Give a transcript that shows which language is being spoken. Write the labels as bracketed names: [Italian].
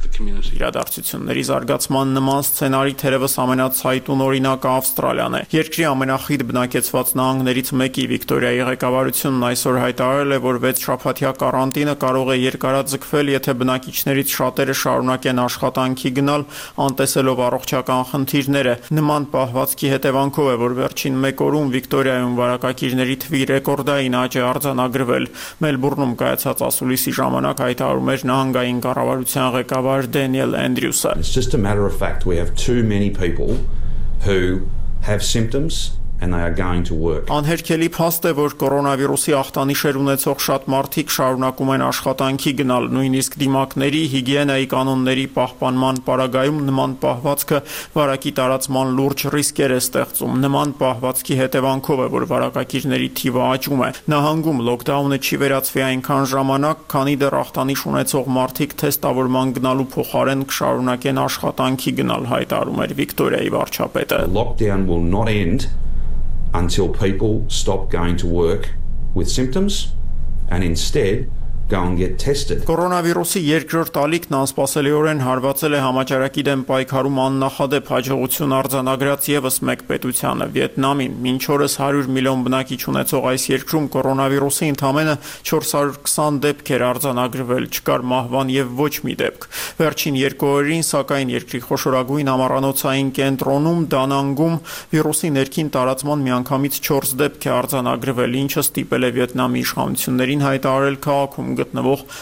[Armenian] Իրադարձությունների զարգացման նման սցենարի թերևս ամենացայտուն օրինակը Ավստրալիան է։ Երկրի ամենախիտ բնակեցված նահանգներից մեկի, Վիկտորիայի ղեկավարությունն այսօր հայտարարել է, որ 6 շաբաթյա կարանտինը կարող է երկարաձգվել, եթե բնակիչներից շատերը շարունակեն աշխատանքի գնալ, անտեսելով առողջական խնդիրները։ Նման պահվածքի հետևանքով է, որ վերջին մեկ օրում Վիկտորիայում վարակակիրների թվի ռեկորդային աճ է արձանագրվել։ Մելբուրնում կայացած ասուլիսի ժամանակ հայտարարում էր նահանգային կառավարության ղեկավար Դենիել Անդրյուսը։ [English] It's just a matter of fact, we have too many people who have symptoms and they are going to work. [Armenian] Անհերքելի փաստ է, որ կորոնավիրուսի ախտանիշեր ունեցող շատ մարդիկ շարունակում են աշխատանքի գնալ, նույնիսկ դիմակների հիգիենայի կանոնների պահպանման պարագայում նման պահվածքը վարակի տարածման լուրջ ռիսկեր է ստեղծում։ Նման պահվածքի հետևանքով է, որ վարակակիրների թիվը աճում է։ Նահանգում լոկդաունը չի վերացվի այնքան ժամանակ, քանի դեռ ախտանիշ ունեցող մարդիկ թեստավորման գնալու փոխարեն կշարունակեն աշխատանքի գնալ, հայտարարում էր Վիկտորիայի վարչապետը։ [English] Lockdown will not end until people stop going to work with symptoms and instead go and get tested. [Armenian] Կորոնավիրուսի երկրորդ ալիքն անսպասելիորեն հարվածել է համաճարակի դեմ պայքարում աննախադեպ հաջողություն արձանագրած եւս մեկ պետությանը՝ Վիետնամին։ Մինչ օրս 100 միլիոն բնակիչ ունեցող այս երկրում կորոնավիրուսի ընդամենը 420 դեպք էր արձանագրվել, չկար մահվան եւ ոչ մի դեպք։ Վերջին 2 օրին, սակայն, երկրի խոշորագույն ամառանոցային կենտրոնում, Դանանգում, վիրուսի ներքին տարածման միանգամից 4 դեպք է արձանագրվել, ինչը ստիպել է Վիետնամի իշխանություններին հայտարարել քաղաքում գտնվող